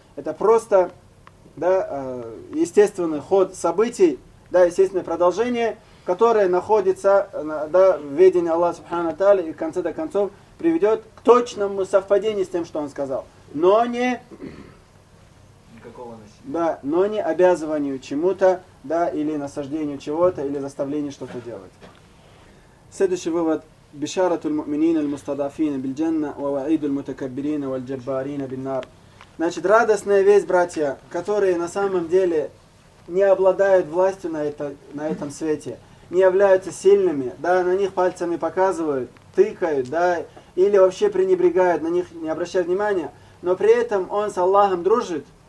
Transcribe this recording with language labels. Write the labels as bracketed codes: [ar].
[ru] Это просто, да, естественный ход событий, да, естественное продолжение, которое находится, да, в ведении Аллаха Субхана Тааля и в конце до концов приведет к точному совпадению с тем, что он сказал. Но не... Никакого насилия. Да, но не обязыванию чему-то, да, или насаждению чего-то, или заставлению что-то делать. Следующий вывод. [ar] بشارة المؤمنين المستضعفين بالجنة ووعيد المتكبرين والجبارين بالنار. [ru] Значит, радостная весть, братья, которые на самом деле не обладают властью на этом свете, не являются сильными, да, на них пальцами показывают, тыкают, да, или вообще пренебрегают, на них не обращают внимания, но при этом он с Аллахом дружит,